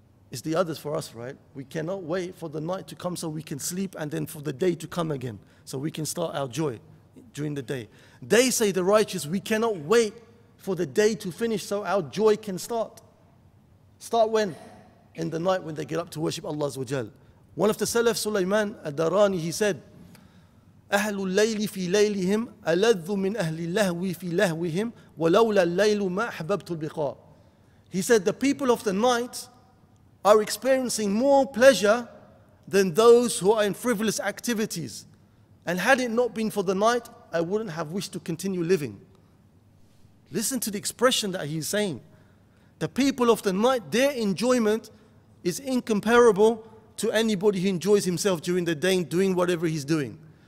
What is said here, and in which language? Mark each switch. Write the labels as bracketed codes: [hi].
[en] It's the others for us, right? We cannot wait for the night to come so we can sleep and then for the day to come again, so we can start our joy during the day. They say, the righteous, we cannot wait for the day to finish so our joy can start. Start when? In the night when they get up to worship Allah Azza wa Jal. One of the Salaf, Sulaiman al-Darani, he said, [ar] أهل الليل في ليلهم ألذ من أهل اللهو في لهوهم ولولا الليل ما أحببت البقاء. [en] He said the people of the night are experiencing more pleasure than those who are in frivolous activities. And had it not been for the night, I wouldn't have wished to continue living. Listen to the expression that he's saying. The people of the night, their enjoyment is incomparable to anybody who enjoys himself during the day doing whatever he's doing.